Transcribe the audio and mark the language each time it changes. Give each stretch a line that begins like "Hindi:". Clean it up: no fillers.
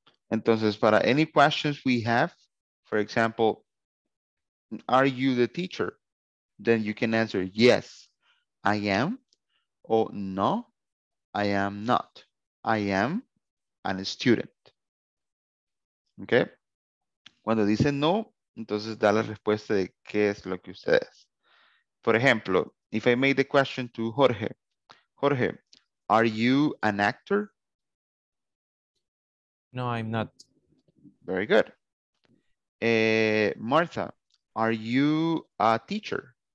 Spanish: Entonces, para
English: any questions we have, for example, are you the teacher? Then you can answer, yes, I am,
Spanish: o no,
English: I am not. I am a student. Okay?
Spanish: Cuando dicen no, entonces da la respuesta de qué es lo que usted es.
English: For example, if I made the question to Jorge. Jorge, are you an actor? No, I'm not. Very good. Martha, are you a teacher?